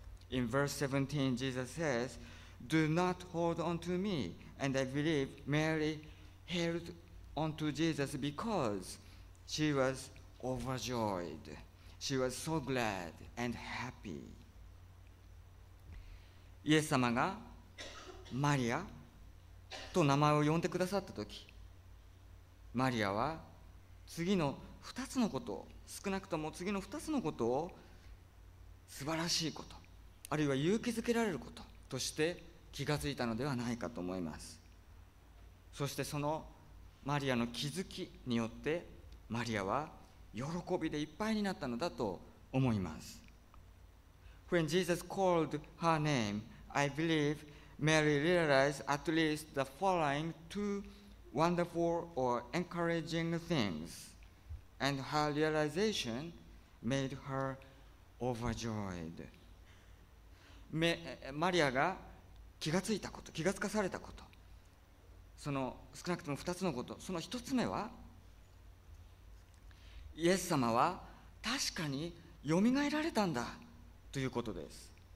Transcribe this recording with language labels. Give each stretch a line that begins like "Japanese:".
English: In verse 17, Jesus says, Do not hold on to me. And I believe Mary held on to Jesus because she was overjoyed. She was so glad and happy.
Japanese: イエス様がマリアと名前を呼んでくださったとき、マリアは次の二つのことを、少なくとも次の二つのことを素晴らしいこと、あるいは勇気づけられることとして気がついたのではないかと思います。そしてそのマリアの気づきによってマリアは喜びでいっぱいになったのだと思います。
English: When Jesus called her name, I believe Mary realized at least the following two wonderful or encouraging things, and her realization made her overjoyed.
Japanese: マリアが気がついたこと、気がつかされたこと、その少なくとも二つのこと、その一つ目はイエス様は確かによみがえられたんだということです。